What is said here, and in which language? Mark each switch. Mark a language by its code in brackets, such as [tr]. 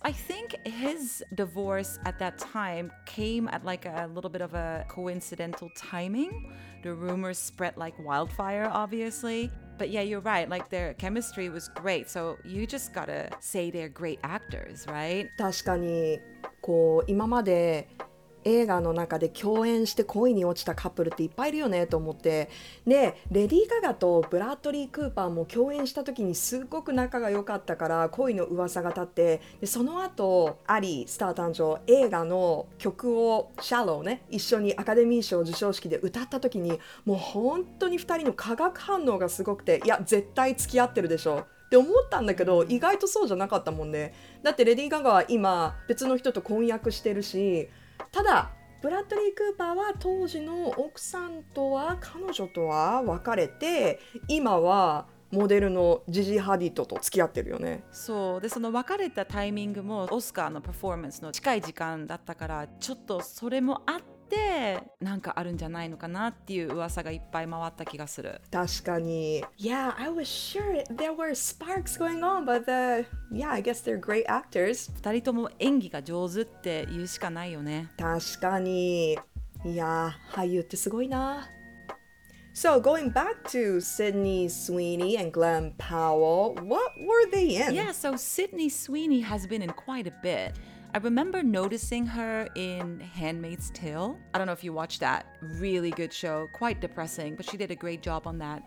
[en] I think his divorce at that time came at like a little bit of a coincidental timing. The rumors spread like wildfire, obviously. But yeah, you're right. Like their chemistry was great. So you just gotta say they're great actors, right? [ja] 確かに、こう今まで映画の中で共演して恋に落ちたカップルっていっぱいいるよねと思って。で、レディー・ガガとブラッドリー・クーパーも共演した時にすごく仲が良かったから恋の噂が立って。で、その後アリー、スター誕生、映画の曲をシャローね、一緒にアカデミー賞受賞式で歌った時に、もう本当に二人の化学反応がすごくて、いや、絶対付き合ってるでしょ。って思ったんだけど、意外とそうじゃなかったもんね。だってレディー・ガガは今別の人と婚約してるし、ただブラッドリー・クーパーは当時の奥さんとは彼女とは別れて、今はモデルのジジ・ハディッドと付き合ってるよね。そうで、その別れたタイミングもオスカーのパフォーマンスの近い時間だったから、ちょっとそれもあって、なんかあるんじゃないのかなっていう噂がいっぱい回った気がする。確かに。 [en] Yeah, I was sure there were sparks going on, but the... yeah, I guess they're great actors. [ja] 二人とも演技が上手って言うしかないよね。確かに。いや、俳優ってすごいな。 [en] So going back to Sydney Sweeney and Glenn Powell, what were they in? Yeah, so Sydney Sweeney has been in quite a bit. I remember noticing her in Handmaid's Tale. I don't know if you watched that. Really good show. Quite depressing, but she did a great job on that.